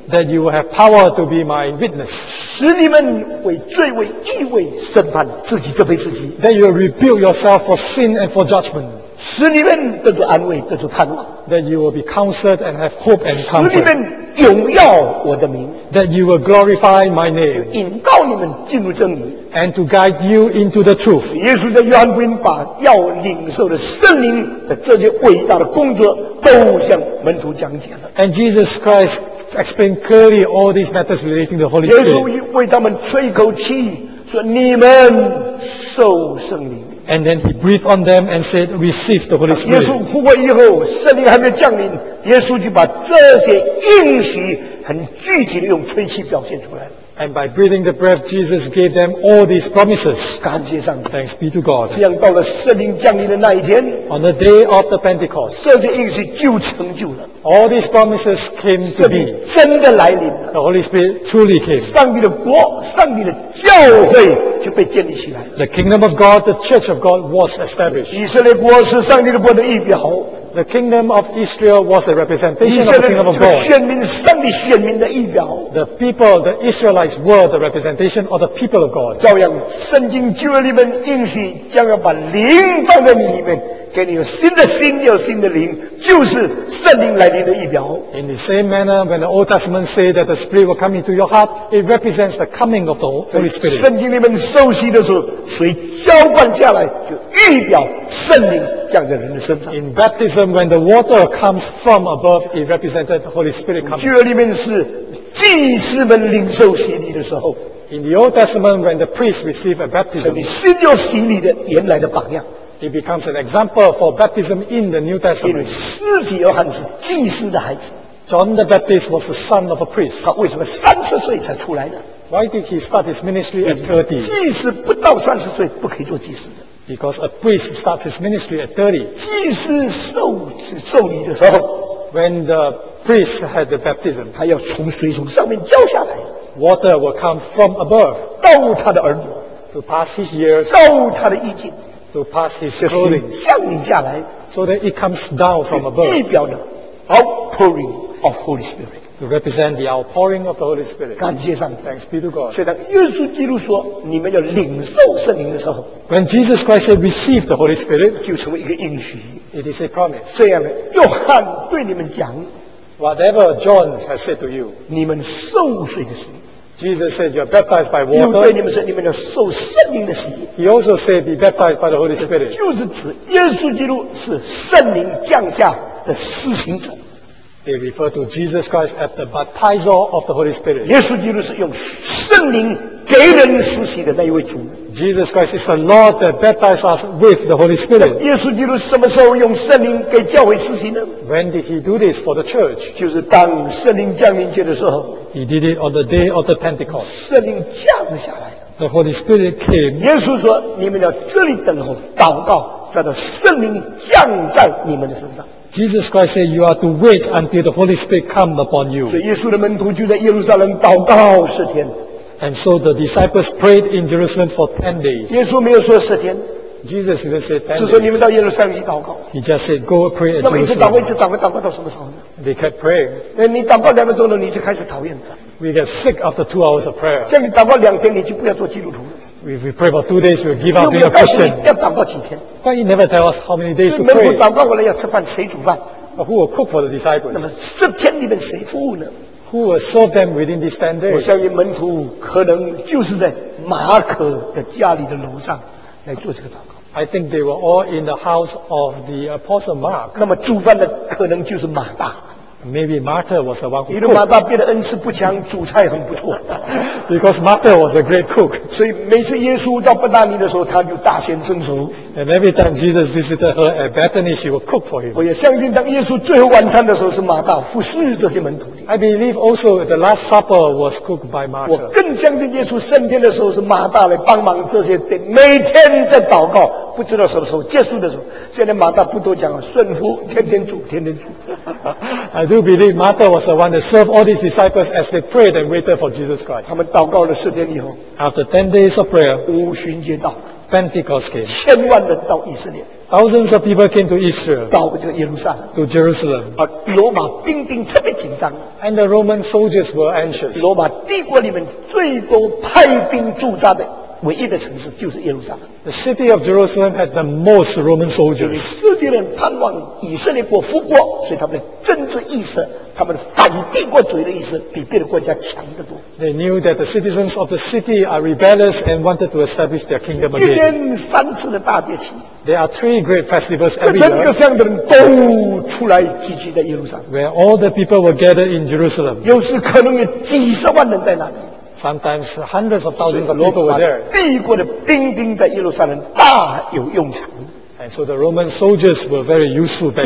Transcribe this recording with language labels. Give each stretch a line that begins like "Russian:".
English: That you will have power to be my witness.
Chinese: 使你们为罪为义为审判自己这辈子己。
English: That you will rebuild yourself for sin and for judgment.
Chinese: 使你们得到安慰，得到盼望。
English: That you will be counseled and have hope and comfort.
Chinese: 使你们荣耀我的名。
English: That you will glorify my name.
Chinese: 引导你们进入真理。
English: And to guide you into the truth.
Chinese: 耶稣在约翰福音把要领受的圣灵的这些伟大的工作都向门徒讲解了。
English: And Jesus Christ explained clearly all these matters relating to the Holy Spirit.
Chinese: 耶稣为他们吹一口气，说你们受圣灵。
English: And then he breathed on them and said, "Receive the Holy Spirit."
Chinese: 耶稣复活以后，圣灵还没降临，耶稣就把这些应许很具体的用吹气表现出来。
English: And by breathing the breath, Jesus gave them all these promises.
Chinese: 感谢上帝。
English: Thanks be to God.
Chinese: 这样到了圣灵降临的那一天
English: ，On the day of the Pentecost,
Chinese: 这些应许就成就了。
English: All these promises came to be.
Chinese: 真的来临了。
English: The Holy Spirit truly came.
Chinese: 上帝的国，上帝的教会就被建立起来。
English: The kingdom of God, the church of God was established.
Chinese: 以色列国是上帝的国的预表。
English: The kingdom of Israel was a representation of the kingdom of God.
Chinese: 选民，上帝选民的预表。
English: The people, the Israelites were the representation of the people of God.
Chinese: 照样，圣经旧约里面应许将要把灵放在你里面，给你有新的心，有新的灵，就是圣灵来临的预表。
English: In the same manner, when the Old Testament say that the Spirit will come into your heart, it represents the coming of the Holy Spirit.
Chinese: 圣经里面受洗的时候，水浇灌下来，就预表圣灵。
English: In baptism, when the water comes from above, it represented the Holy Spirit coming.
Chinese: 旧约里面是祭司们领受洗礼的时候。
English: In the Old Testament, when the priest received a baptism,
Chinese: 成为新约洗礼的原来的榜样。
English: It becomes an example for baptism in the New Testament.
Chinese: 因为施洗约翰是祭司的孩子。
English: John the Baptist was the son of a priest.
Chinese: 他为什么30岁才出来呢？
English: Why did he start his ministry at 30?
Chinese: 祭司不到30岁不可以做祭司的。
English: Because a priest starts his ministry at 30.
Chinese: 祭司受礼的时候
English: ，when the priest had the baptism，
Chinese: 他要从水从上面浇下来
English: ，water will come from above，
Chinese: 到他的耳朵
English: ，to pass his ears，
Chinese: 到他的衣襟
English: ，to pass his clothing，
Chinese: 降临下来
English: ，so that it comes down from above，
Chinese: 代表的
English: outpouring of Holy Spirit。 To represent the outpouring of the Holy Spirit.
Chinese: 感谢上帝。
English: Thanks be to God.
Chinese: 所以当耶稣基督说你们要领受圣灵的时候
English: ，When Jesus Christ said receive the Holy Spirit，
Chinese: 就成为一个应许。
English: It is a promise.
Chinese: 这样的，约翰对你们讲
English: ，Whatever John has said to you，
Chinese: 你们受水的洗。
English: Jesus said you are baptized by water.
Chinese: 又对你们说你们要受圣灵的洗。
English: He also said be baptized by the Holy Spirit.
Chinese: 就是指耶稣基督是圣灵降下的施行者。
English: They refer to Jesus Christ as the baptizer of the Holy Spirit.
Chinese: 耶稣基督是用圣灵给人施洗的那一位主。
English: Jesus Christ is the Lord that baptized us with the Holy Spirit.
Chinese: 耶稣基督什么时候用圣灵给教会施洗呢？
English: When did he do this for the church?
Chinese: 就是当圣灵降临节的时候。
English: He did it on the day of the Pentecost.
Chinese: 圣灵降下来。
English: The Holy Spirit came.
Chinese: 耶稣说：“你们要这里等候，祷告，叫做圣灵降在你们的身上。”
English: Jesus Christ said, "You are to wait until the Holy Spirit come upon you."
Chinese: 所以耶稣的门徒就在耶路撒冷祷告十天。
English: And so the disciples prayed in Jerusalem for 10 days.
Chinese: 耶稣没有说十天。
English: Jesus didn't say 10 days.
Chinese: 只说你们到耶路撒冷去祷告。
English: He just said, "Go pray at Jerusalem."
Chinese: 那么一直祷告，一直祷告，祷告到什么时候呢？
English: They kept praying.
Chinese: 那你祷告两个钟头，你就开始讨厌了。
English: We get sick after 2 hours of prayer.
Chinese: 像你祷告两天，你就不要做基督徒了。
English: If we pray for 2 days, we'll give up being a Christian.
Chinese: 要祷告几天
English: ？But he never tell us how many days to pray.
Chinese: 门徒祷告过来要吃饭，谁煮饭
English: ？But who will cook for the disciples?
Chinese: 那么十天里面谁服务呢
English: ？Who will serve them within these 10 days?
Chinese: 我相信门徒可能就是在马可的家里的楼上来做这个祷告。
English: I think they were all in the house of the apostle Mark.
Chinese: 那么煮饭的可能就是马大。
English: Maybe Martha was the one who cooked.
Chinese: 因为马大变得恩赐不强，主菜很不错。
English: Because Martha was a great cook.
Chinese: 所以每次耶稣到伯大尼的时候，他就大显身手。
English: And every time Jesus visited her at Bethany, she would cook for him.
Chinese: 我也相信，当耶稣最后晚餐的时候，是马大服侍这些门徒的。
English: I believe also the Last Supper was cooked by Martha.
Chinese: 我更相信耶稣升天的时候，是马大来帮忙这些，每天在祷告。不知道什么时候结束的时候，现在马大不多讲了，顺服，天天主，天天主。
English: I do believe Martha was the one that served all these disciples as they prayed and waited for Jesus Christ.
Chinese: 他们祷告了四天以后
English: ，After 10 days of prayer，
Chinese: 五旬节到
English: ，Pentecost came，
Chinese: 千万人到以色列
English: ，Thousands of people came to Israel，
Chinese: 到这个耶路撒冷
English: ，To Jerusalem，
Chinese: 而罗马兵丁特别紧张
English: ，And the Roman soldiers were anxious。
Chinese: 罗马帝国里面最多派兵驻扎的。唯一的城市就是耶路撒冷。
English: The city of Jerusalem had the most Roman soldiers.
Chinese: 世界人盼望以色列国复国，所以他们的政治意识，他们反帝国主义的意识，比别的国家强得多。
English: They knew that the citizens of the city are rebellious and wanted to establish their kingdom again.
Chinese: 一年三次的大节期。
English: There are three great festivals every year.
Chinese: 都出来聚集在耶路撒冷。
English: Where all the people were gathered in Jerusalem.
Chinese: 有时可能有几十万人在那里。
English: Sometimes hundreds of thousands of people were there.
Chinese: 帝国的兵丁在耶路撒冷大有用场。
English: And so the Roman soldiers were very useful back then.